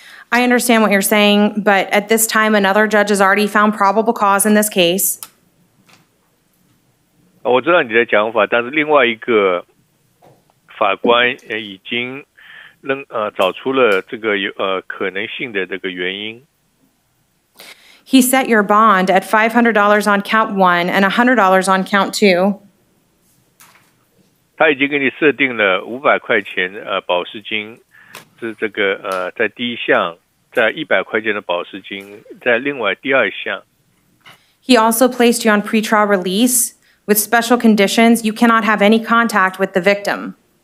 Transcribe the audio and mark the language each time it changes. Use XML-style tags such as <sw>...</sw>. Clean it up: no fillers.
<en>I understand what you're saying, but at this time, another judge has already found probable cause in this case.</en> <zh>我知道你的讲法，但是另外一个法官已经找出了这个可能性的这个原因。</zh> <en>He set your bond at $500 on count one and $100 on count two.</en> <zh>他已经给你设定了500块钱保释金，是这个在第一项。在100块钱的保释金，在另外第二项。</zh> <en>He also placed you on pretrial release with special conditions. You cannot have any contact with the victim.</en>